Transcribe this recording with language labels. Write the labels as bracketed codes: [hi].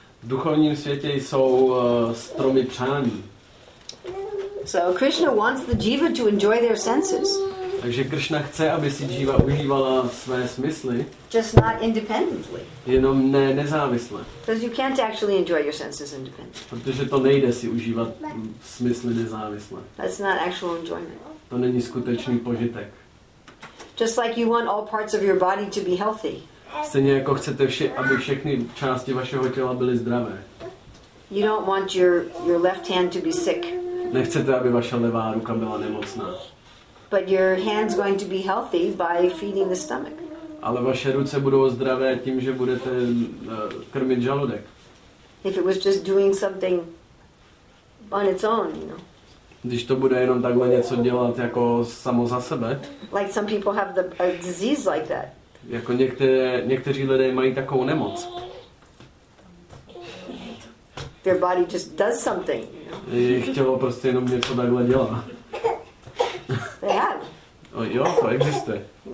[cs] V duchovním světě jsou stromy přání. [en] So Krishna wants the jiva to enjoy their senses. [cs] Takže Kršna chce, aby si džíva užívala své smysly. [en] Just not independently. [cs] Jenom ne nezávisle. [en] Because you can't actually enjoy your senses independently. [cs] Protože to nejde si užívat smysly nezávisle. [en] That's not actual enjoyment. [cs] To není skutečný požitek. [en] Just like you want all parts of your body to be healthy. [cs] Stejně jako chcete, aby všechny části vašeho těla byly zdravé. [en] You don't want your left hand to be sick. [cs] Nechcete, aby vaše levá ruka byla nemocná. [en] But your hand's going to be healthy by feeding the stomach. [cs] Ale vaše ruce budou zdravé tím, že budete krmit žaludek. [en] If it was just doing something on its own, you know. [cs] Když to bude jenom takhle něco dělat jako samo za sebe. [en] Like some people have a disease like that. [cs] Jako někteří lidé mají takovou nemoc. [en] Their body just does something, you know. [cs] Jejich tělo prostě jenom něco takhle dělá. [en] They have. [cs] Jo, to existuje.